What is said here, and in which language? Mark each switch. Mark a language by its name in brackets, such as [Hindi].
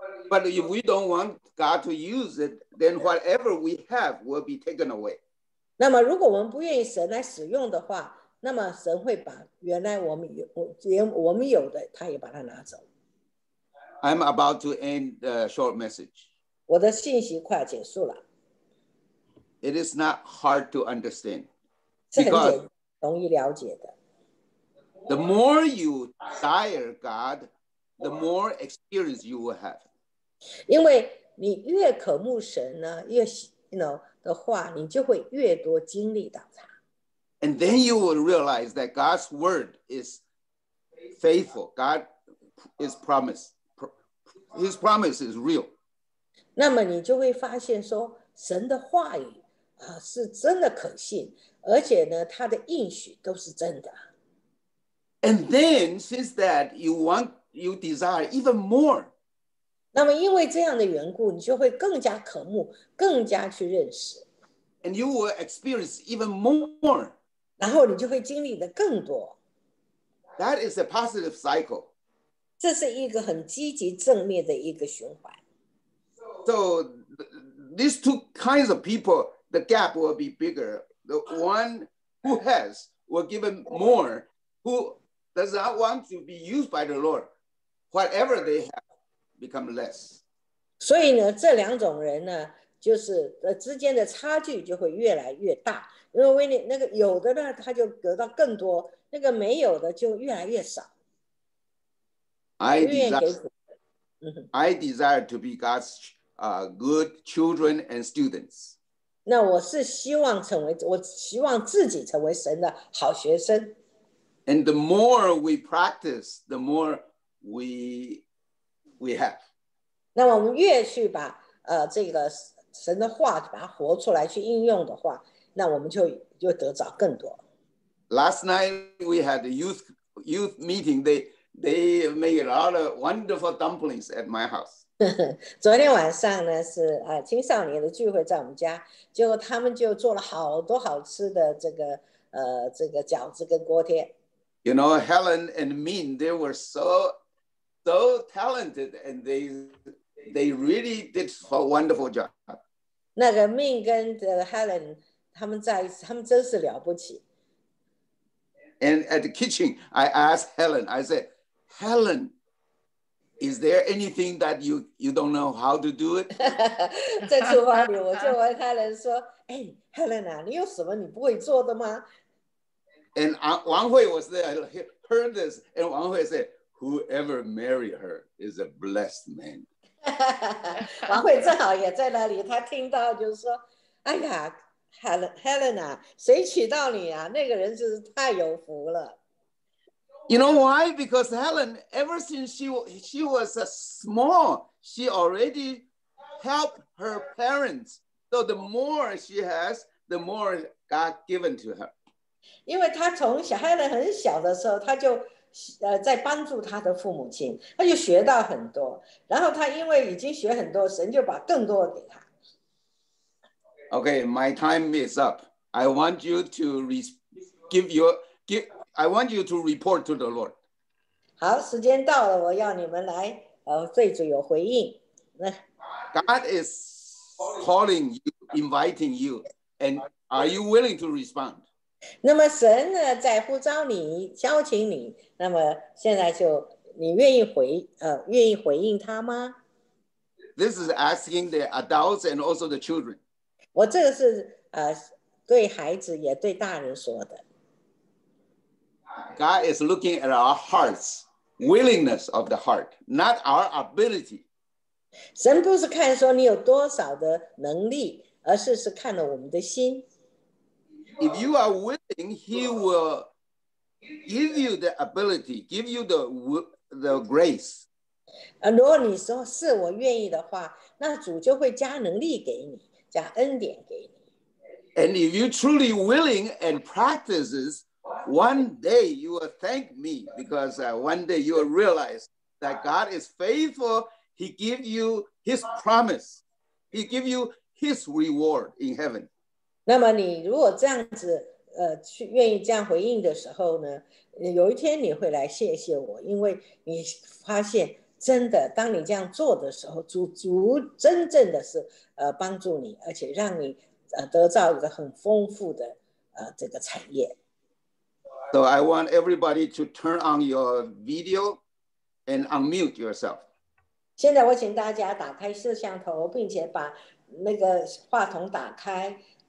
[English] But if we don't want God to use it, then whatever we have will be taken away. [Chinese] 那么如果我们不愿意神来使用的话，那么神会把原来我们有，连我们有的，他也把它拿走。 [English] I'm about to end the short message. [Chinese] 我的信息快要结束了。 [English] It is not hard to understand. Because the more you desire God, the more experience you will have. [Chinese] 因为你越渴慕神呢，越 [English] you know [Chinese] 的话，你就会越多经历到他。 [English] And then you will realize that God's word is faithful. God is promise. His promise is real. [Chinese] 那么你就会发现说，神的话语是真的可信，而且呢，他的应许都是真的。 [English] And then, since that, you want, you desire even more. [Chinese] 那么因为这样的缘故，你就会更加渴慕，更加去认识。 [English] And you will experience even more. [Chinese] 然后你就会经历的更多。 [English] That is a positive cycle. [Chinese] 这是一个很积极正面的一个循环。 [English] So, these two kinds of people,The gap will be bigger. The one who has will give more. Who does not want to be used by the Lord, whatever they have, become less. [Chinese] 所以呢，这两种人呢，就是之间的差距就会越来越大。因为你那个有的呢，他就得到更多；那个没有的就越来越少。 [English] I desire to be God's good children and students. [Chinese] 那我是希望成为，我希望自己成为神的好学生。 [English] And the more we practice, the more we have. [Chinese] 那我们越去把这个神的话把它活出来去应用的话，那我们就得着更多。 [English] Last night we had a youth meeting. They made a lot of wonderful dumplings at my house. [Chinese] 昨天晚上呢是青少年的聚会在我们家，结果他们就做了好多好吃的这个饺子跟锅贴。 [English] You know, Helen and Min, they were so talented, and they really did a wonderful job. [Chinese] 那个 Min 跟 Helen, 他们真是了不起。 [English] And at the kitchen, I asked Helen, I said, Helen,Is there anything that you don't know how to do it? [Chinese] 在厨房里，我就问 Helen 说：“哎 ，Helen 啊，你有什么你不会做的吗 [English] ？”And Wang Hui was there, heard this, and Wang Hui said, "Whoever married her is a blessed man." [Chinese] 王慧正好也在那里，他听到就是说：“哎呀 ，Helen 啊，谁娶到你啊？那个人就是太有福了。” [English] You know why? Because Helen, ever since she was small, she already helped her parents. So the more she has, the more God given to her. [Chinese] 因为她从小 Helen 很小的时候，她就在帮助她的父母亲，她就学到很多。然后她因为已经学很多，神就把更多给她。 [English] Okay, my time is up. I want you to give your give. I want you to report to the Lord. [Chinese] 好，时间到了，我要你们来，对主有回应。 [English] God is calling you, inviting you, and are you willing to respond? [Chinese] 那么神呢，在呼召你，邀请你，那么现在就你愿意回应他吗？ [English] This is asking the adults and also the children. [Chinese] 我这个是对孩子也对大人说的。 [English] God is looking at our hearts, willingness of the heart, not our ability. [Chinese] 神不是看说你有多少的能力，而是看了我们的心。 [English] If you are willing, He will give you the ability, give you the grace. [Chinese] 如果你说是我愿意的话，那主就会加能力给你，加恩典给你。 [English] And if you truly willing and practices, one day you will thank me because one day you will realize that God is faithful. He gives you His promise. He gives you His reward in heaven. [Chinese] 那么你如果这样子去愿意这样回应的时候呢，有一天你会来谢谢我，因为你发现真的，当你这样做的时候，主真正的是帮助你，而且让你得到一个很丰富的这个产业。 [English] So I want everybody to turn on your video and unmute yourself. [Chinese] 现在我请大家打开摄像头，并且把那个话筒打开。